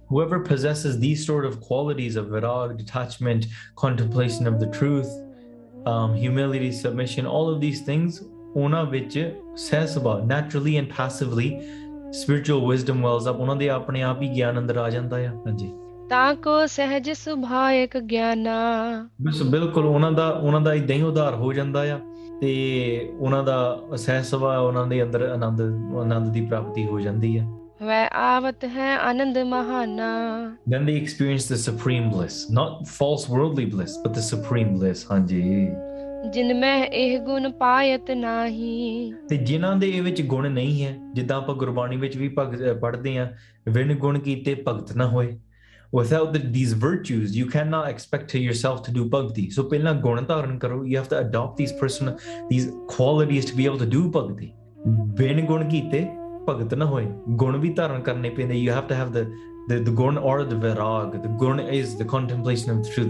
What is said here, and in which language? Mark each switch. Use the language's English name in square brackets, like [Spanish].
[English] Whoever possesses these sort of qualities of virag, detachment, contemplation of the truth, humility, submission, all of these things, una vich says about naturally and passively, spiritual wisdom wells up. [Punjabi] Una de apne aap hi gyan andar aa janda hai, [English] hanji. [Punjabi] ਤਾਂ ਕੋ ਸਹਜ ਸੁਭਾਇਕ ਗਿਆਨਾ। ਬਸ ਬਿਲਕੁਲ ਉਹਨਾਂ ਦਾ ਇਦਾਂ ਹੀ ਉਧਾਰ ਹੋ ਜਾਂਦਾ ਆ, ਤੇ ਉਹਨਾਂ ਦਾ ਸਹਿਸ ਵਾ, ਉਹਨਾਂ ਦੇ ਅੰਦਰ ਆਨੰਦ ਦੀ ਪ੍ਰਾਪਤੀ ਹੋ ਜਾਂਦੀ ਆ। ਵੈ ਆਵਤ ਹੈ ਆਨੰਦ ਮਹਾਨਾ। [English] Then they experience the supreme bliss, not false worldly bliss, but the supreme bliss. [Punjabi] ਹਾਂਜੀ, ਜਿਨ ਮੈਂ ਇਹ ਗੁਣ ਪਾਇਤ ਨਾਹੀ। ਤੇ ਜਿਨ੍ਹਾਂ ਦੇ ਇਹ ਵਿੱਚ ਗੁਣ ਨਹੀਂ ਹੈ, ਜਿੱਦਾਂ ਆਪਾਂ ਗੁਰਬਾਣੀ ਵਿੱਚ ਵੀ ਭਗਤ ਪੜ੍ਹਦੇ ਹਾਂ, ਵਿਣ ਗੁਣ ਕੀਤੇ ਭਗਤ ਨਾ ਹੋਏ। [English] Without these virtues, you cannot expect to yourself to do bhakti. [Punjabi] So pehla gun dharan karo, [English] you have to adopt these person, these qualities to be able to do bhakti. [Punjabi] Bin gun kite bhagat na hoye, gun vi dharan karne pende. [English] You have to have the gun or the virag. The gun is the contemplation of the truth.